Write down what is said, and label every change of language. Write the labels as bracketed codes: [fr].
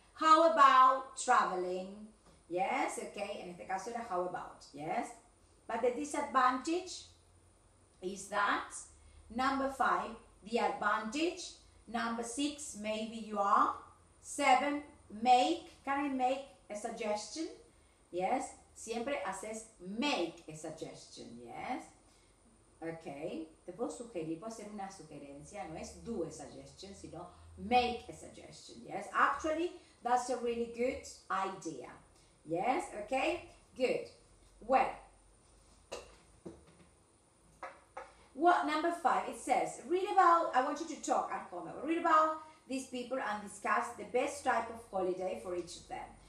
[en] How about traveling? Yes, okay, en este caso era how about, yes. But the disadvantage is that, number 5, the advantage, number 6, maybe you are, 7, make, can I make a suggestion? Yes, siempre haces make a suggestion, yes. [es] Okay, te puedo sugerir, puedo hacer una sugerencia, no es do a suggestion, sino make a suggestion, yes. [en] Actually, that's a really good idea, yes, okay, good, well. What, number 5, it says, I want you to talk at home, read about these people and discuss the best type of holiday for each of them.